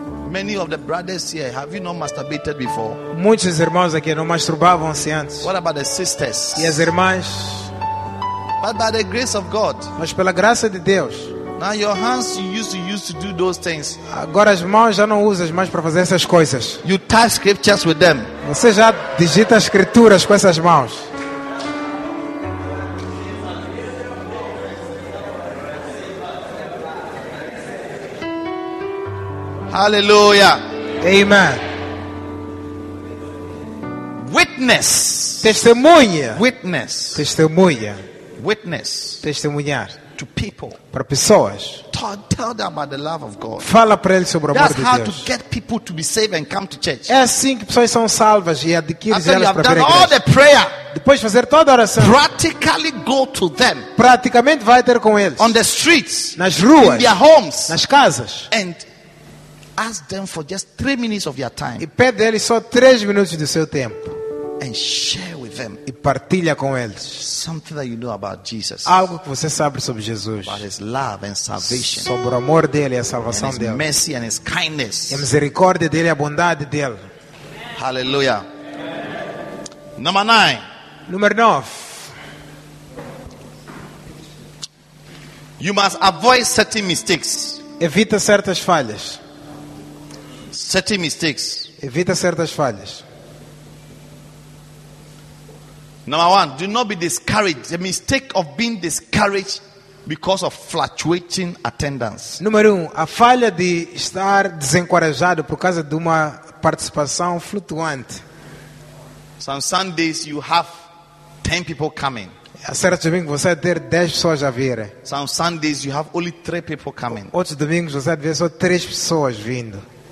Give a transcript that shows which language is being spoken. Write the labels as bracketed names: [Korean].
[English] Many of the brothers here, have you not masturbated before? [Portuguese] Muitos irmãos aqui não masturbavam-se antes. [English] What about the sisters? [Portuguese] E as irmãs? [English] But by the grace of God. [Portuguese] Mas pela graça de Deus. [English] Now your hands you used to do those things. [Portuguese] Agora as mãos já não usas mais para fazer essas coisas. [English] You touch scriptures with them. [Portuguese] Você já digita as escrituras com essas mãos. Hallelujah. Amen. [English] Witness. [Portuguese] Testemunha. [English] Witness. [Portuguese] Testemunha. [English] Witness. [Portuguese] Testemunhar. [English] To people. [Portuguese] Para pessoas. [English] Tell them about the love of God. [Portuguese] Fala para eles sobre o amor de Deus. [English] That's how to get people to be saved and come to church. [Portuguese] É assim que pessoas são salvas e adquirem elas para vir à igreja. [English] All the prayer. [Portuguese] Depois de fazer toda a oração. [English] Practically go to them. [Portuguese] Praticamente vai ter com eles. [English] On the streets. [Portuguese] Nas ruas. [English] In their homes. [Portuguese] Nas casas. [English] And ask them for just 3 minutes of your time. [Portuguese] E pede a eles só 3 minutos do seu tempo. [English] And share with them. [Portuguese] E partilha com eles. [English] Something that you know about Jesus. [Portuguese] Algo que você sabe sobre Jesus. [English] About his love and salvation. [Portuguese] Sobre o amor dele e a salvação [English] and his [Portuguese] dele. [English] Mercy and his kindness. [Portuguese] E a misericórdia dele e a bondade dele. [English] Hallelujah. Number 9. [Portuguese] Número 9. [English] You must avoid certain mistakes. [Portuguese] Evita certas falhas. [English] Certain mistakes. [Portuguese] Evita certas falhas. [English] Number 1, do not be discouraged. The mistake of being discouraged because of fluctuating attendance. [Portuguese] Número 1, a falha de estar desencorajado por causa de uma participação flutuante. [English] Some Sundays you have 10 people coming. [Portuguese] A certos domingos você vai ter 10 pessoas a vir. [English] Some Sundays you have only 3 people coming. [Portuguese] Outros domingos você vai ver só 3 pessoas vindo.